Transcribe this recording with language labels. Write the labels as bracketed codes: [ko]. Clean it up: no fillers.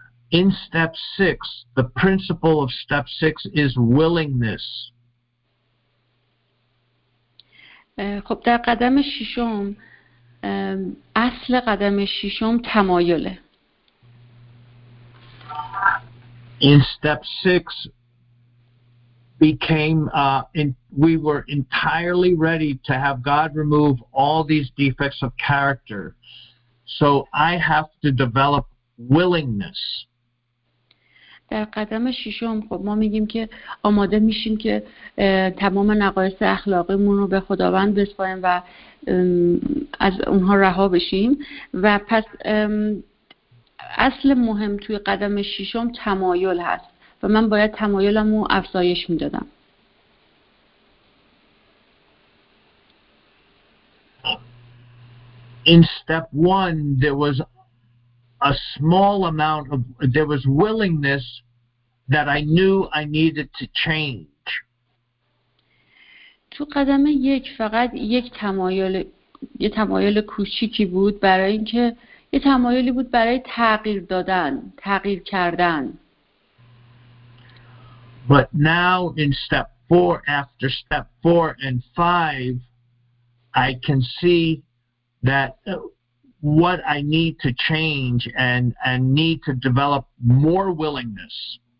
[en] In step 6, the principle of step 6 is willingness. [fa] خب در قدم ششم اصل قدم ششم تمایله. [en] In step 6 we were entirely ready to have God remove all these defects of character. So I have to develop willingness. [fa] در قدم ششم خب ما میگیم که آماده میشیم که تمام نقایص اخلاقیمون رو به خداوند بسپاریم و از اونها رها بشیم. و پس اصل مهم توی قدم ششم تمایل هست و من باید تمایلم رو افزایش میدادم. [en] In step one, there was a small amount of, there was willingness that I knew I needed to change. [fa] تو قدم یک فقط یک تمایل، یه تمایل کوچیکی بود برای اینکه، یه تمایلی بود برای تغییر دادن، تغییر کردن. [en] But now in step four, after step four and five, I can see that what I need to change and need to develop more willingness.